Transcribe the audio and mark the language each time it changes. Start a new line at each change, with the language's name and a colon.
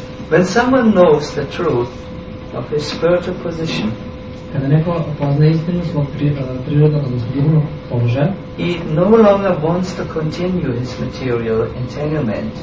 English: When someone knows the truth of his spiritual position,
Serbian: kada neko pozna istinu svog prirodnog, odnosno duhovnog položaja,
English: no longer wants to continue his material entanglement.